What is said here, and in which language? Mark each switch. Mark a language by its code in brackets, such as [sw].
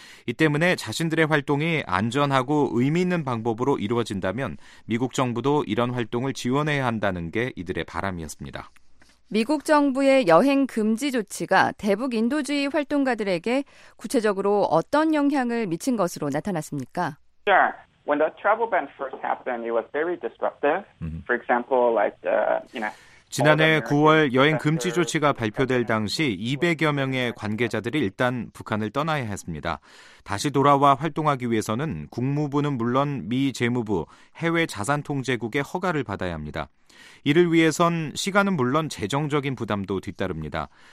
[ko] 이 때문에 자신들의 활동이 안전하고 의미 있는 방법으로 이루어진다면 미국 정부도 이런 활동을 지원해야 한다는 게 이들의 바람이었습니다. 미국 정부의 여행 금지 조치가 대북 인도주의 활동가들에게 구체적으로 어떤 영향을 미친 것으로 나타났습니까? [en] When the travel ban first happened, it was very disruptive. For example, like the, you know. [ko] 지난해 9월 여행 금지 조치가 발표될 당시 200여 명의 관계자들이 일단 북한을 떠나야 했습니다. 다시 돌아와 활동하기 위해서는 국무부는 물론 미 재무부, 해외 자산 통제국의 허가를 받아야 합니다. 이를 위해선 시간은 물론 재정적인 부담도 뒤따릅니다.